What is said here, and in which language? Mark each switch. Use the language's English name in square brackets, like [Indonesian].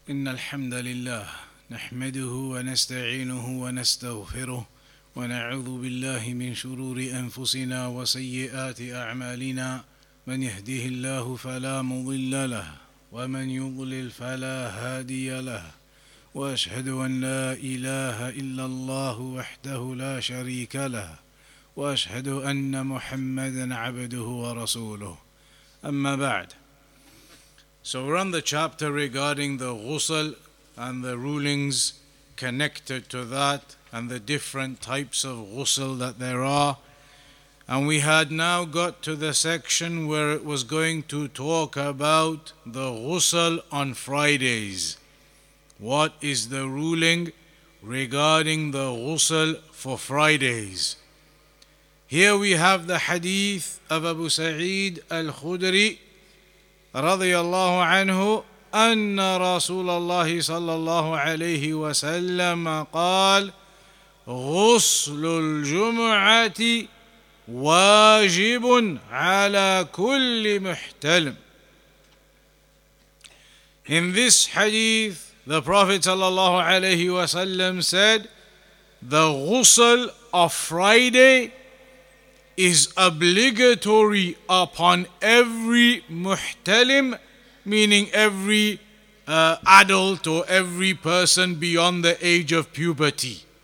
[Arabic] إن الحمد لله نحمده ونستعينه ونستغفره ونعوذ بالله من شرور أنفسنا وسيئات أعمالنا من يهده الله فلا مضل له ومن يضلل فلا هادي له وأشهد أن لا إله إلا الله وحده لا شريك له وأشهد أن محمدا عبده ورسوله أما بعد. [English] So we're on the chapter regarding the ghusl and the rulings connected to that and the different types of ghusl that there are. And we had now got to the section where it was going to talk about the ghusl on Fridays. What is the ruling regarding the ghusl for Fridays? Here we have the hadith of Abu Sa'id al-Khudri [Arabic] رضي الله عنه أن رسول الله صلى الله عليه وسلم قال غسل الجمعة واجب على كل محتلم. [English] In this hadith, the Prophet صلى الله عليه وسلم said, the ghusl of Friday is obligatory upon every muhtalim, meaning every adult or every person beyond the age of puberty.